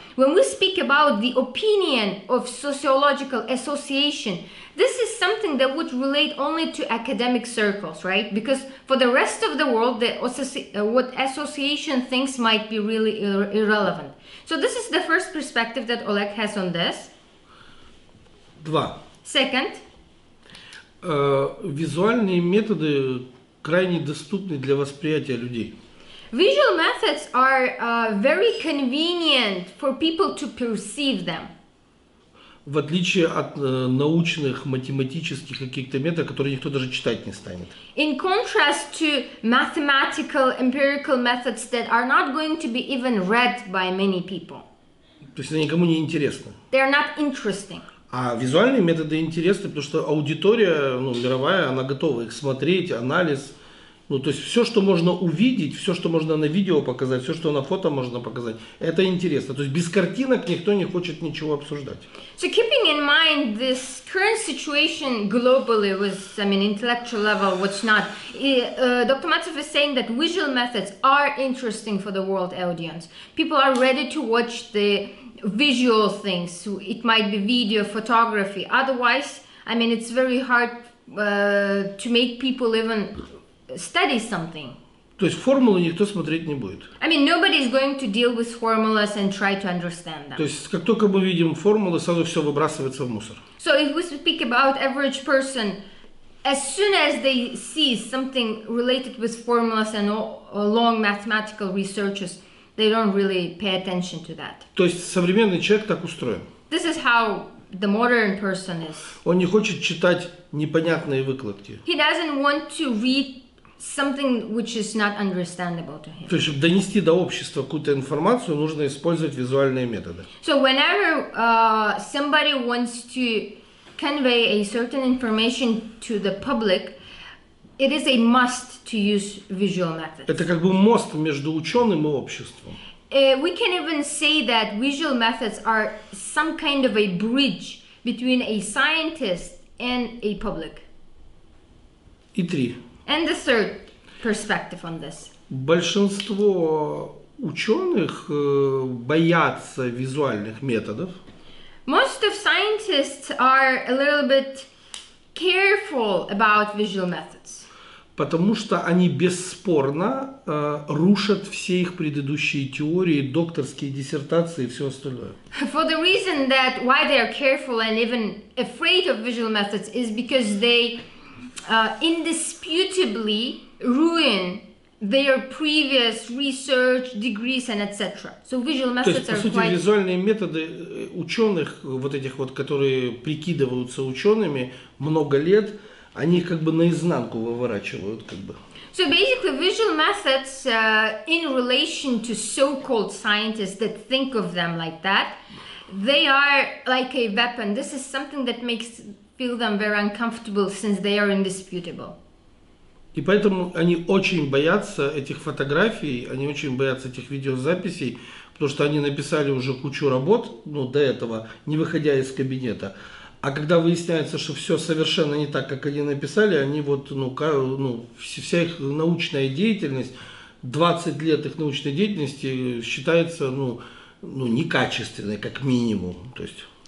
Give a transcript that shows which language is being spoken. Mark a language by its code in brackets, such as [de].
[en] When we speak about the opinion of sociological association, this is something that would relate only to academic circles, right? Because for the rest of the world, what association thinks might be really irrelevant. So this is the first perspective that Oleg has on this. [ru] Два. [en] Second. [ru] Визуальные методы крайне доступны для восприятия людей. [en] Visual methods are very convenient for people to perceive them. [ru] В отличие от научных, математических каких-то методов, которые никто даже читать не станет. [en] In contrast to mathematical, empirical methods that are not going to be even read by many people. [ru] То есть они никому не интересны. [en] They are not interesting. [ru] А визуальные методы интересны, потому что аудитория мировая, она готова их смотреть, анализ. То есть все, что можно увидеть, все, что можно на видео показать, все, что на фото можно показать, это интересно. То есть без картинок никто не хочет ничего обсуждать. [en] So keeping in mind this current situation globally with, I mean, intellectual level, what's not, Dr. Matsov is saying that visual methods are interesting for the world audience. People are ready to watch the visual things. It might be video, photography. Otherwise, I mean, it's very hard to make people even study something. [ru] То есть формулы никто смотреть не будет. [en] I mean, nobody is going to deal with formulas and try to understand them. [ru] То есть как только мы видим формулы, сразу все выбрасывается в мусор. [en] So if we speak about average person, as soon as they see something related with formulas and long mathematical researches, they don't really pay attention to that. [ru] То есть современный человек так устроен. [en] This is how the modern person is. [ru] Он не хочет читать непонятные выкладки. [en] He doesn't want to read something which is not understandable to him. [ru] То есть, чтобы донести до общества какую-то информацию, нужно использовать визуальные методы. [en] So whenever somebody wants to convey a certain information to the public, it is a must to use visual methods. [ru] Это как бы мост между ученым и обществом. [en] We can even say that visual methods are some kind of a bridge between a scientist and a public. [ru] И три. [en] And the third perspective on this. [ru] Большинство ученых боятся визуальных методов. [en] Most of scientists are a little bit careful about visual methods. [ru] Потому что они бесспорно рушат все их предыдущие теории, докторские диссертации и все остальное. [en] For the reason that why they are careful and even afraid of visual methods is because they indisputably ruin their previous research degrees and etc. So visual methods [ru] То есть, по [en] are [ru] сути, [en] quite... [ru] визуальные методы ученых, вот этих вот, которые прикидываются учеными много лет, они их как бы наизнанку выворачивают, как бы. [en] So basically, visual methods in relation to so-called scientists that think of them like that, they are like a weapon. This is something that makes feel them very uncomfortable, since they are indisputable. [ru] И поэтому они очень боятся этих фотографий, они очень боятся этих видеозаписей, потому что они написали уже кучу работ, ну, до этого, не выходя из кабинета. А когда выясняется, что все совершенно не так, как они написали, они вот, ну, вся их научная деятельность, 20 лет их научной деятельности считается, ну, некачественной, как минимум, то есть...